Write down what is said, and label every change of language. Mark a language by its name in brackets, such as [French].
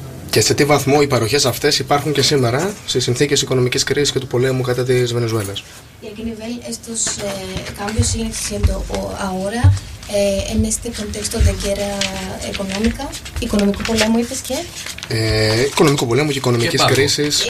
[Greek] Και σε τι βαθμό οι παροχές αυτές υπάρχουν και σήμερα στις συνθήκες οικονομικής κρίσης και του πολέμου κατά της Βενεζουέλας. [Spanish] Για qué nivel estos cambios siguen existiendo ahora en este contexto de guerra económica, [Greek] οικονομικού πολέμου είπες και? Οικονομικού πολέμου και οικονομικής κρίσης